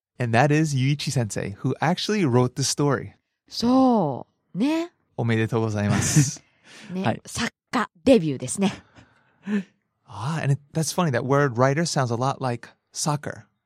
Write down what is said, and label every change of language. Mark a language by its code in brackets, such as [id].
[en] And that is Yuichi sensei, who actually wrote the story. [ja] そう、ね。おめでとうございます。ね、はい、作家デビューですね。 [en] Ah, and that's funny, that word writer sounds a lot like soccer.